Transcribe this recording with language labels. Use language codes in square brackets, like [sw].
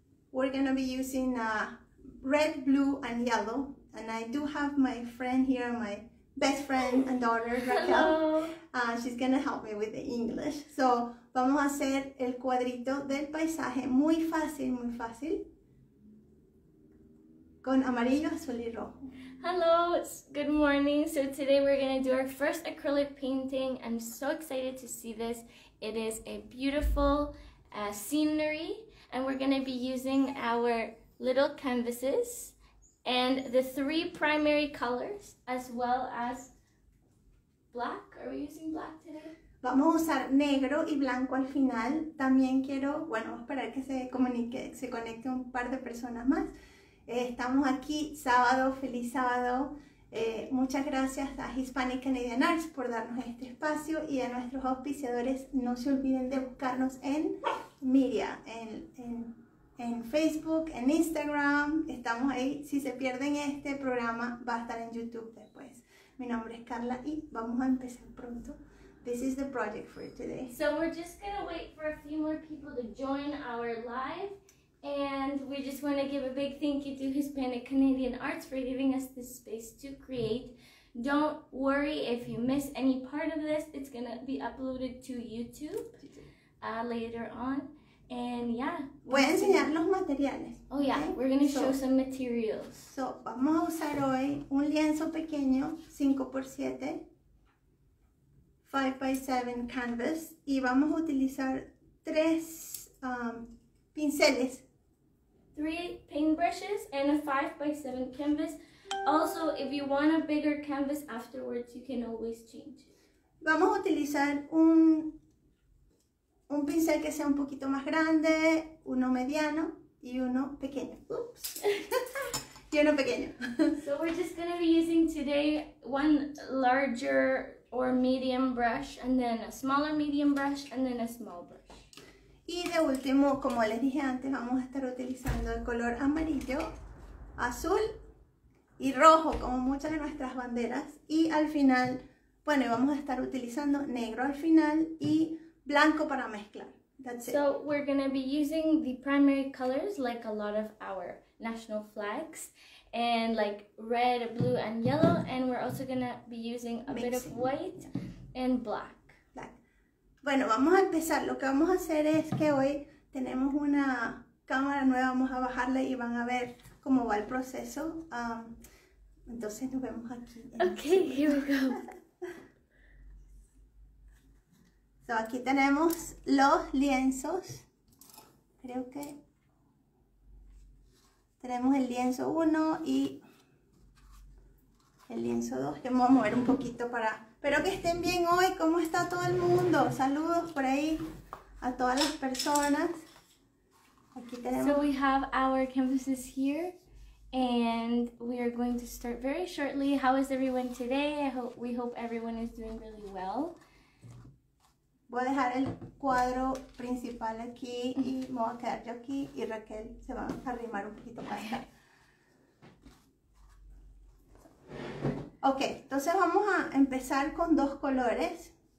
[en] We're going to be using red, blue, and yellow. And I do have my friend here, my best friend and daughter, Raquel. Hello. She's going to help me with the English. [es] So, vamos a hacer el cuadrito del paisaje muy fácil, muy fácil. Con amarillo, azul y rojo. [en] Hello, good morning. So today we're going to do our first acrylic painting. I'm so excited to see this. It is a beautiful scenery. And we're going to be using our little canvases. And the three primary colors, as well as black. Are we using black today? [es] Vamos a usar negro y blanco al final. También quiero, bueno, esperar que se comunique, se conecte un par de personas más. Estamos aquí, sábado, feliz sábado. Muchas gracias a Hispanic Canadian Arts por darnos este espacio y a nuestros auspiciadores. No se olviden de buscarnos en media, en Facebook, en Instagram, estamos ahí. Si se pierden este programa, va a estar en YouTube después. Mi nombre es Carla y vamos a empezar pronto. [en] This is the project for today. So we're just gonna wait for a few more people to join our live. And we just wanna give a big thank you to Hispanic Canadian Arts for giving us this space to create. Don't worry if you miss any part of this, it's gonna be uploaded to YouTube later on. And yeah, [es] voy a enseñar los materiales. [en] Oh yeah, okay? We're going to show some materials. [es] So, vamos a usar hoy un lienzo pequeño, 5x7, [en] 5x7 canvas, [es] y vamos a utilizar tres pinceles. [en] Three paintbrushes and a 5x7 canvas. Also, if you want a bigger canvas afterwards, you can always change. [es] Vamos a utilizar un pincel que sea un poquito más grande, uno mediano y uno pequeño. Oops. Y uno pequeño. [en] So we're just going to be using today one larger or medium brush and then a smaller medium brush and then a small brush. [es] Y de último, como les dije antes, vamos a estar utilizando el color amarillo, azul y rojo como muchas de nuestras banderas y al final, bueno, vamos a estar utilizando negro al final y blanco para mezclar. [en] That's it. So we're going to be using the primary colors like a lot of our national flags and like red, blue and yellow and we're also going to be using a bit of white and black. [es] Bueno, vamos a empezar. Lo que vamos a hacer es que hoy tenemos una cámara nueva, vamos a bajarla y van a ver cómo va el proceso. Entonces nos vemos aquí. Okay, here we go. So, aquí tenemos los lienzos, creo que tenemos el lienzo 1 y el lienzo 2, que me voy a mover un poquito para... Espero que estén bien hoy, ¿cómo está todo el mundo? Saludos por ahí a todas las personas. Aquí tenemos... [en] So, we have our canvases here and we are going to start very shortly. How is everyone today? We hope everyone is doing really well. [es] Voy a dejar el cuadro principal aquí y me voy a quedar yo aquí y Raquel se va a arrimar un poquito más allá. Ok, entonces vamos a empezar con dos colores.